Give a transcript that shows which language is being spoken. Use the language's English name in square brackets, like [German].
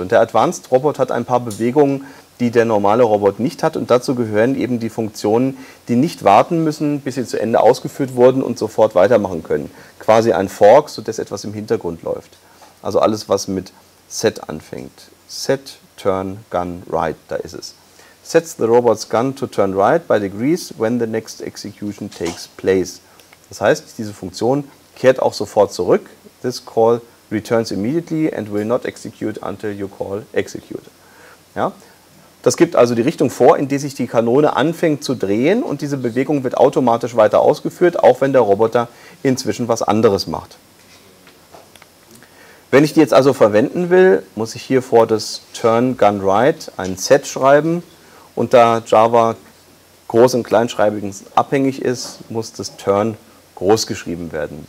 [German] Und der Advanced Robot hat ein paar Bewegungen, die der normale Robot nicht hat. Und dazu gehören eben die Funktionen, die nicht warten müssen, bis sie zu Ende ausgeführt wurden und sofort weitermachen können. Quasi ein Fork, sodass etwas im Hintergrund läuft. Also alles, was mit Set anfängt. Set, Turn, Gun, Right, da ist es. [English] Sets the robot's gun to turn right by degrees when the next execution takes place. [German] Das heißt, diese Funktion kehrt auch sofort zurück. [English] This call returns immediately and will not execute until you call execute. [German] Ja? Das gibt also die Richtung vor, in die sich die Kanone anfängt zu drehen und diese Bewegung wird automatisch weiter ausgeführt, auch wenn der Roboter inzwischen was anderes macht. Wenn ich die jetzt also verwenden will, muss ich hier vor das Turn Gun Right ein Set schreiben und da Java groß- und kleinschreibigen abhängig ist, muss das Turn groß geschrieben werden.